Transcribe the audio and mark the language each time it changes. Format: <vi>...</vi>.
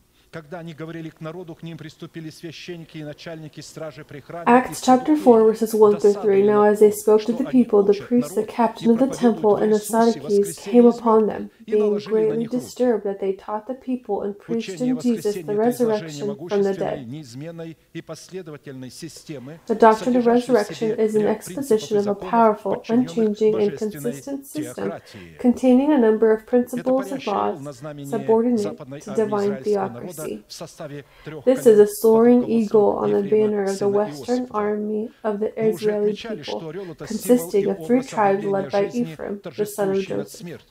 <ru>Когда они говорили к народу, к ним приступили священники и начальники стражи при храме.</ru> <en>Acts chapter 4, verses 1-3. Now as they spoke to the people, the priests, the captain of the temple, and the Sadducees came upon them, being greatly disturbed that they taught the people and preached in Jesus the resurrection from the dead.</en> <ru>Неизменной и последовательной системы.</ru> <en>The doctrine of resurrection is an exposition of a powerful, unchanging, and consistent system containing a number of principles and laws subordinate to divine theocracy. Legacy. This is a soaring eagle on the banner of the Western Army of the Israeli people, consisting of three tribes led by Ephraim, the son of Joseph.</en>